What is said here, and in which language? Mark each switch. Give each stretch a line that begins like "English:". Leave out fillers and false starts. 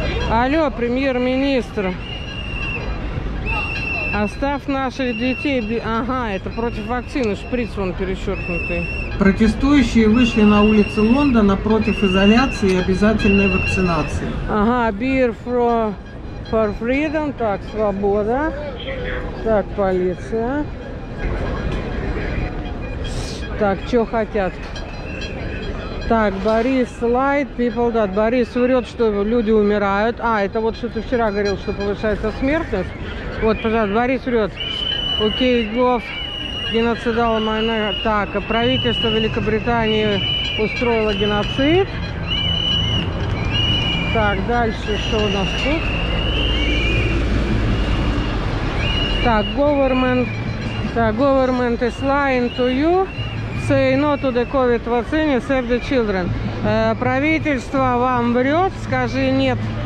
Russian: Алло, премьер-министр. Оставь наших детей. Ага, это против вакцины. Шприц вон перечеркнутый. Протестующие вышли на улицы Лондона против изоляции и обязательной вакцинации. Ага,
English: beer for freedom.
Russian: Так, свобода. Так, полиция. Так, что хотят? Так, Борис лайт,
English: people dead.
Russian: Борис врет, что люди умирают. А, это вот что ты вчера говорил, что повышается смертность. Вот, пожалуйста, Борис врет. Окей, гов. Геноцидал майна. Так, правительство Великобритании устроило геноцид. Так, дальше что у нас тут? Так, government. Так,
English: government is lying to you. Say no to the COVID vaccine, save the children.
Russian: Правительство вам врет. Скажи нет